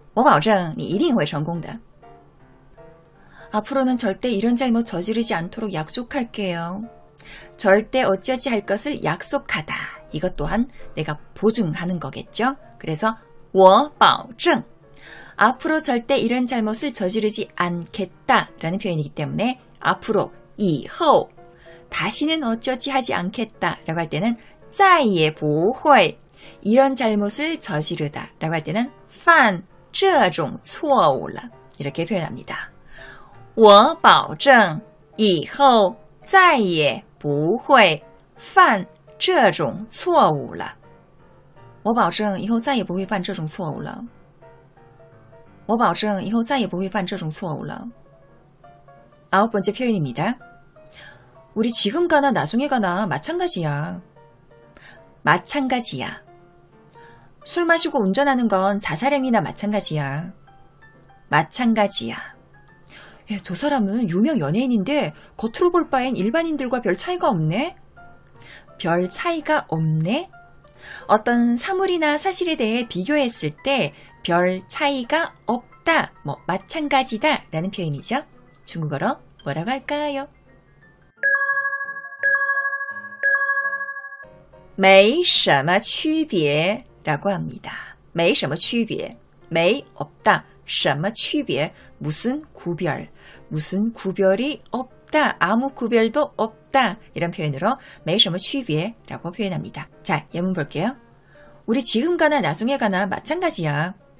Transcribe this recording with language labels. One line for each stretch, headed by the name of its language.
Chinese: 你一定会成功的。我保证你一定会成功的。我保证你一定会成功的。我保证你一定会成功的。
Korean: 앞으로는 절대 이런 잘못 저지르지 않도록 약속할게요. 절대 어쩌지 할 것을 약속하다. 이것 또한 내가 보증하는 거겠죠. 그래서
Chinese: 我保证
Korean: 앞으로 절대 이런 잘못을 저지르지 않겠다 라는 표현이기 때문에 앞으로
Chinese: 以后
Korean: 다시는 어쩌지 하지 않겠다 라고 할 때는
Chinese: 再也不会
Korean: 이런 잘못을 저지르다 라고 할 때는
Chinese: 犯这种错误了
Korean: 이렇게 표현합니다.
Chinese: 我保证以后再也不会犯这种错误了。我保证以后再也不会犯这种错误了。我保证以后再也不会犯这种错误了。
Korean: 아홉 번째 표현입니다. 우리 지금 가나 나중에 가나 마찬가지야. 마찬가지야. 술 마시고 운전하는 건 자살행위나 마찬가지야. 마찬가지야. 예, 저 사람은 유명 연예인인데 겉으로 볼 바엔 일반인들과 별 차이가 없네. 별 차이가 없네? 어떤 사물이나 사실에 대해 비교했을 때 별 차이가 없다, 뭐 마찬가지다 라는 표현이죠. 중국어로 뭐라고 할까요?
Chinese: 没什么区别
Korean: 라고 합니다.
Chinese: 没什么区别,
Korean: 没 없다, 什么区别, 무슨 구별, 무슨 구별이 없다, 아무 구별도 없다 이런 표현으로 没什么区别 라고 표현합니다. 자, 예문 볼게요. 우리 지금 가나 나중에 가나 마찬가지야.